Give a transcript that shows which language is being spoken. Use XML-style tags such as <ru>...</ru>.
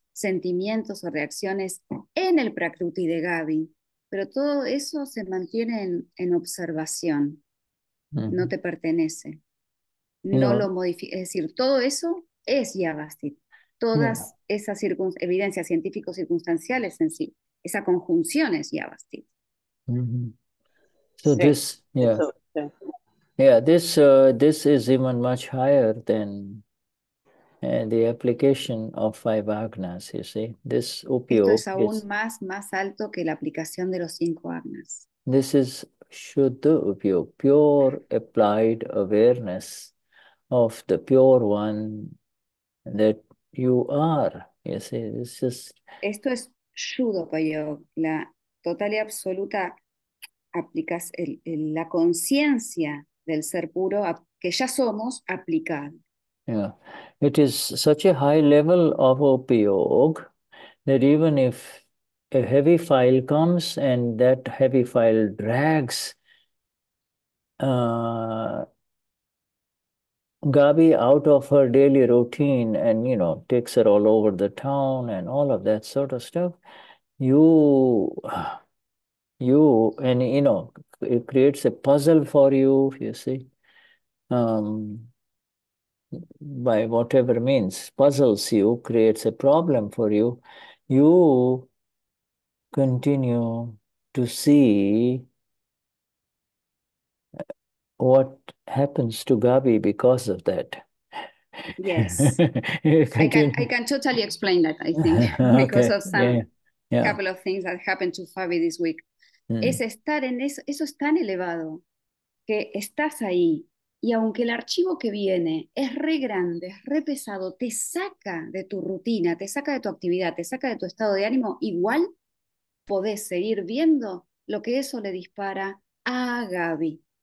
<es>sentimientos o reacciones en el prakruti de Gaby, pero todo eso se mantiene en observación. No te pertenece. No, no lo modifica. Es decir, todo eso es Yavastit. Todas esas evidencias científicas circunstanciales en sí, esa conjunción es Yavastit.</es> <en>So</en> <es>sí.</es> <en>This, yeah. Yeah, this, this is even much higher than the application of five agnas, you see. This upio.</en> <es>Esto es aún más alto que la aplicación de los cinco agnas.</es> <en>This is Shuddha upio, pure applied awareness of the pure one that you are, you see. This is.</en> <es>Esto es Shuddha upio, la total y absoluta. Aplicas la conciencia del ser puro que ya somos aplicado.</es> <en>Yeah, it is such a high level of upyog that even if a heavy file comes and that heavy file drags Gabi out of her daily routine and, you know, takes her all over the town and all of that sort of stuff, you know, it creates a puzzle for you, you see, by whatever means, puzzles you, creates a problem for you. You continue to see what happens to Gabi because of that. Yes. I can totally explain that, I think, okay. Because of some couple of things that happened to Fabi this week.</en> <es>Es estar en eso, eso es tan elevado que estás ahí y aunque el archivo que viene es re grande, es re pesado, te saca de tu rutina, te saca de tu actividad, te saca de tu estado de ánimo, igual podés seguir viendo lo que eso le dispara a Gaby.</es>